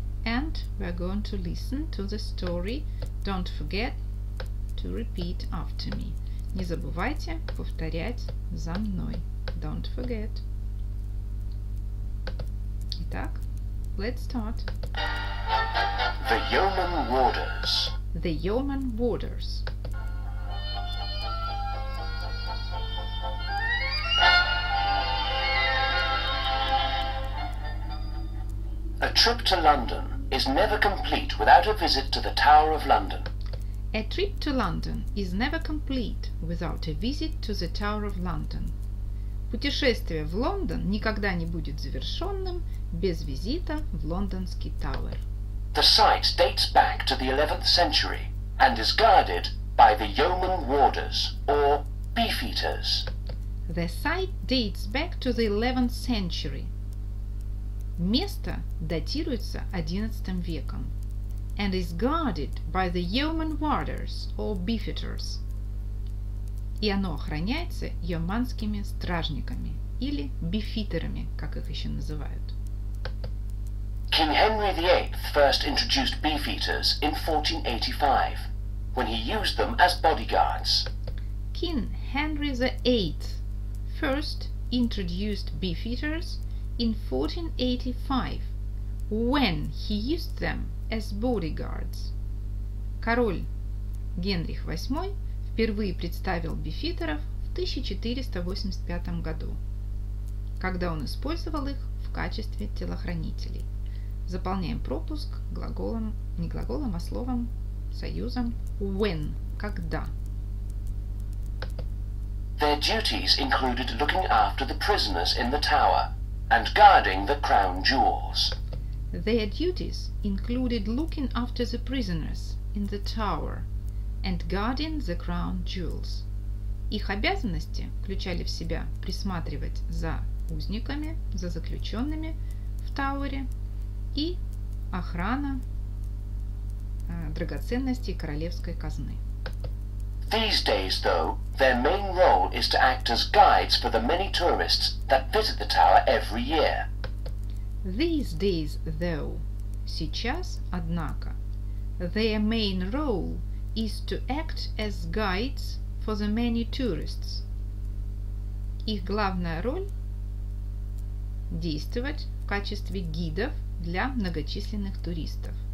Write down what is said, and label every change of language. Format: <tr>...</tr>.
<en>And we are going to listen to the story. Don't forget to repeat after me.</en> <ru>Не забывайте повторять за мной.</ru> <en>Don't forget. Итак, let's start. The Yeoman Warders. The Yeoman Warders. A trip to London is never complete without a visit to the Tower of London. A trip to London is never complete without a visit to the Tower of London.</en> <ru>Путешествие в Лондон никогда не будет завершенным без визита в лондонский Тауэр.</ru> <en>The site dates back to the 11th century and is guarded by the Yeoman Warders or Beef Eaters. The site dates back to the 11th century.</en> <ru>Место датируется 11 веком.</ru> <en>And is guarded by the Yeoman Warders or Beefeaters.</en> <ru>И оно охраняется йеоманскими стражниками или бифитерами, как их еще называют.</ru> <en>King Henry VIII first introduced beefeaters in 1485, when he used them as bodyguards. King Henry VIII first introduced beefeaters in 1485, when he used them as bodyguards.</en> <ru>Король Генрих VIII впервые представил бифитеров в 1485 году, когда он использовал их в качестве телохранителей. Заполняем пропуск глаголом, не глаголом, а словом, союзом when, когда.</ru> <en>Their duties included looking after the prisoners in the tower and guarding the crown jewels. Their duties included looking after the prisoners in the tower and guarding the crown jewels.</en> <ru>Их обязанности включали в себя присматривать за узниками, за заключенными в Тауэре и охрана драгоценностей королевской казны.</ru> <en>These days, though, their main role is to act as guides for the many tourists that visit the tower every year. These days, though,</en> <ru>сейчас, однако,</ru> <en>their main role is to act as guides for the many tourists.</en> <ru>Их главная роль – действовать в качестве гидов для многочисленных туристов.</ru>